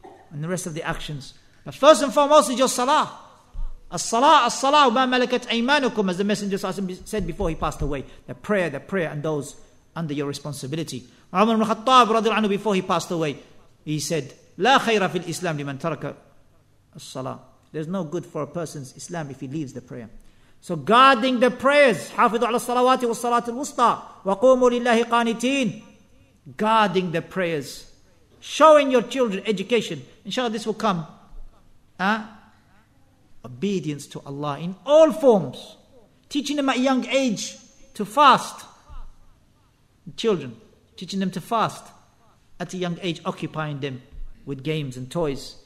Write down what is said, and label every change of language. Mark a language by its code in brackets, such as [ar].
[en] And the rest of the actions. But first and foremost is your salah. [ar] As-salah, as-salah, ma malakat aymanukum, [en] as the Messenger said before he passed away. The prayer, and those under your responsibility. Umar ibn Khattab, radiallahu anhu, before he passed away, he said, [ar] la khayra fil Islam liman taraka as-salah. [en] There's no good for a person's Islam if he leaves the prayer. So guarding the prayers, [ar] حَافِظُوا عَلَى الصَّلَوَاتِ وَالصَّلَاةِ الْوُسْطَى وَقُومُوا لِلَّهِ قَانِتِينَ. [en] Guarding the prayers. Showing your children education. Inshallah this will come. Obedience to Allah in all forms. Teaching them at a young age to fast. Children, teaching them to fast at a young age, occupying them with games and toys.